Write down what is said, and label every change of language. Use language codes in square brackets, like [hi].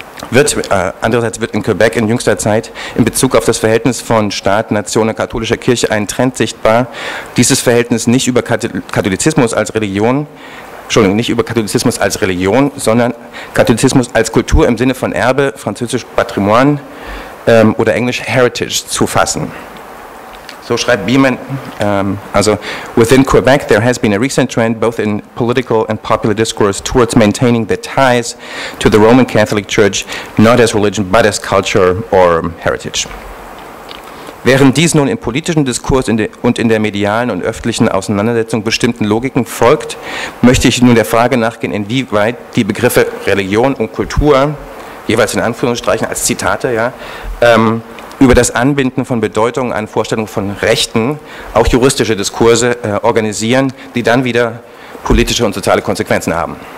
[de] wird in Quebec in jüngster Zeit in Bezug auf das Verhältnis von Staat, Nation und katholischer Kirche ein Trend sichtbar, dieses Verhältnis nicht über Katholizismus als Religion, sondern Katholizismus als Kultur im Sinne von Erbe, französisch Patrimoine oder englisch Heritage zu fassen. So schreibt Beeman, also, [en] within Quebec there has been a recent trend both in political and popular discourse towards maintaining the ties to the Roman Catholic Church, not as religion, but as culture or heritage. [de] Während dies nun im politischen Diskurs und in der medialen und öffentlichen Auseinandersetzung bestimmten Logiken folgt, möchte ich nun der Frage nachgehen, inwieweit die Begriffe Religion und Kultur, jeweils in Anführungsstrichen als Zitate, ja, über das Anbinden von Bedeutungen an Vorstellungen von Rechten auch juristische Diskurse organisieren, die dann wieder politische und soziale Konsequenzen haben.